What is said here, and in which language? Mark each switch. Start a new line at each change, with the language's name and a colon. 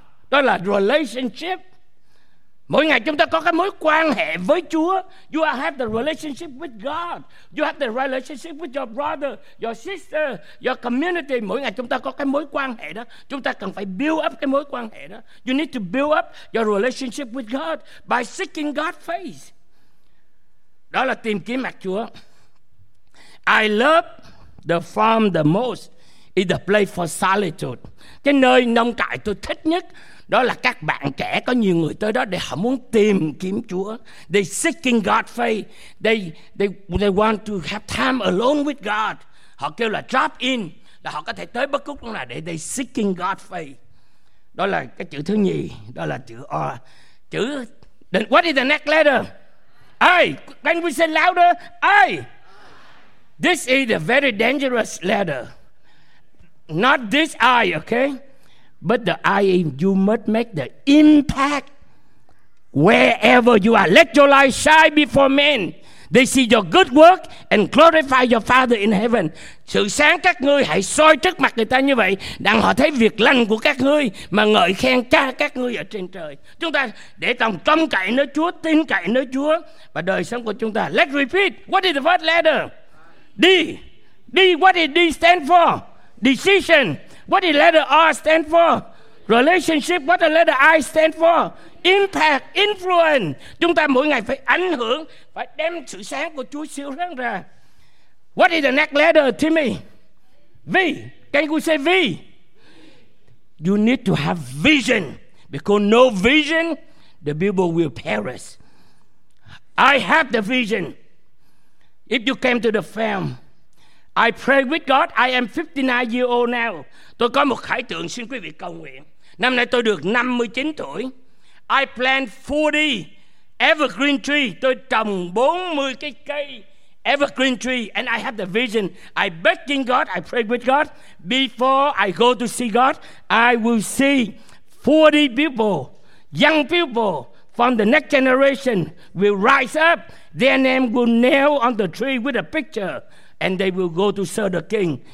Vietnamese: Đó là relationship. Mỗi ngày chúng ta có cái mối quan hệ với Chúa.
English: You have the relationship with God. You have the relationship with your brother, your sister, your community.
Vietnamese: Mỗi ngày chúng ta có cái mối quan hệ đó. Chúng ta cần phải build up cái mối quan hệ đó.
English: You need to build up your relationship with God by seeking God's face.
Vietnamese: Đó là tìm kiếm mặt Chúa.
English: I love the farm the most. It's a place for solitude.
Vietnamese: Cái nơi nông trại tôi thích nhất, đó là các bạn trẻ có nhiều người tới đó để họ muốn tìm kiếm Chúa.
English: They seeking God's face. They want to have time alone with God.
Vietnamese: Họ kêu là drop in, là họ có thể tới bất cứ lúc nào để
English: they seeking God's face.
Vietnamese: Đó là cái chữ thứ nhì, đó là chữ O.
English: Chữ what is the next letter? I. When we say louder, I. This is a very dangerous letter. Not this I, okay? But the I is you must make the impact wherever you are. Let your light shine before men. They see your good work and glorify your Father in heaven.
Vietnamese: Sự sáng các ngươi hãy soi trước mặt người ta như vậy, đặng họ thấy việc lành của các ngươi mà ngợi khen Cha các ngươi ở trên trời. Chúng ta để lòng trông cậy nơi Chúa, tin cậy nơi Chúa và đời sống của chúng ta.
English: Let's repeat. What is the first letter? D. D. What is D stand for? Decision. What the letter R stand for? Relationship, what the letter I stand for? Impact, influence.
Vietnamese: Chúng ta mỗi ngày phải ảnh hưởng, phải đem sự sáng của Chúa siêu sáng ra.
English: What is the next letter, Timmy? V. Can you say V? You need to have vision. Because no vision, the people will perish. I have the vision. If you came to the farm, I pray with God. I am 59 years old now.
Vietnamese: Tôi có một khải tượng, xin quý vị cầu nguyện. Năm nay tôi được 59 tuổi. I plant 40 evergreen tree. Tôi trồng 40 cái cây evergreen tree.
English: And I have the vision. I beg in God. I pray with God. Before I go to see God, I will see 40 people, young people from the next generation will rise up. Their name will nail on the tree with a picture. And they will go to serve the king.